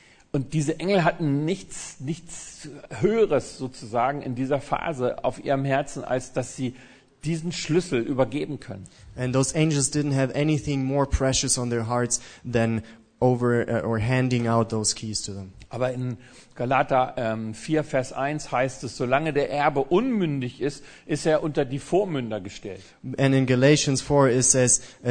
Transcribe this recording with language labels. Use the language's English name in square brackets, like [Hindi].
[German] Und diese Engel hatten nichts Höheres sozusagen in dieser Phase auf ihrem Herzen, als dass sie diesen Schlüssel übergeben können. [English] And those angels didn't have anything more precious on their hearts than handing out those keys to them. [German] Aber in Galater 4, Vers 1 heißt es, solange der Erbe unmündig ist, ist er unter die Vormünder gestellt. [English] And in Galatians 4, it says,